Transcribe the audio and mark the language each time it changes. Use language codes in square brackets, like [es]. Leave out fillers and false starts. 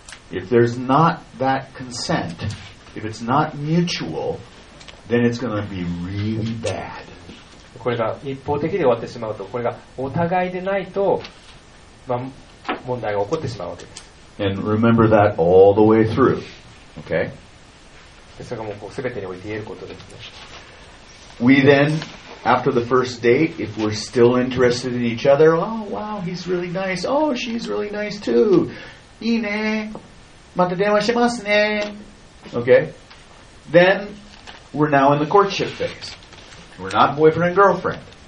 [en] If there's not that consent, if it's not mutual, then it's going to be really bad. [ja] これが一方的で終わってしまうと、これがお互いでないと、まあ、問題が起こってしまうわけです。 [en] And remember that all the way through. Okay. [ja] それがもうこう全てにおいて言えることですね。 [en] We then. After the first date, if we're still interested in each other, oh wow, he's really nice. Oh, she's really nice too. [ja] いいね。また電話しますね。 [en] Okay. Then we're now in the courtship phase. We're not boyfriend and girlfriend.